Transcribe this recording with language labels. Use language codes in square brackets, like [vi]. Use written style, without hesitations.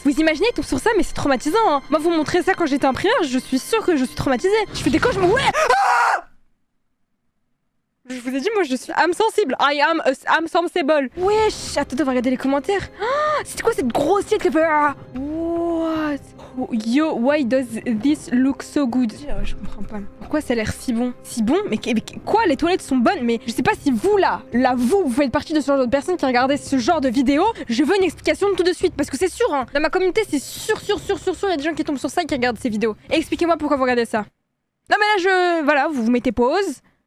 [fr] Vous imaginez, ils tombent sur ça, mais c'est traumatisant. Hein. Moi, vous montrez ça quand j'étais en primaire, je suis sûre que je suis traumatisée. Je fais des cauchemars. Ouais. Ah Je vous ai dit, moi je suis âme sensible. [en] I am [fr] âme sensible. Wesh, attends, on va regarder les commentaires. Ah, c'est quoi cette grosse tête que fait. [en] What? Yo, why does this look so good? [fr] Je comprends pas. Pourquoi ça a l'air si bon? Si bon? Mais quoi? Les toilettes sont bonnes, mais je sais pas si vous là, vous faites partie de ce genre de personnes qui regardaient ce genre de vidéos. Je veux une explication tout de suite, parce que c'est sûr, hein. Dans ma communauté, c'est sûr, il y a des gens qui tombent sur ça et qui regardent ces vidéos. Et expliquez-moi pourquoi vous regardez ça. Non, mais là, voilà, vous vous mettez pause.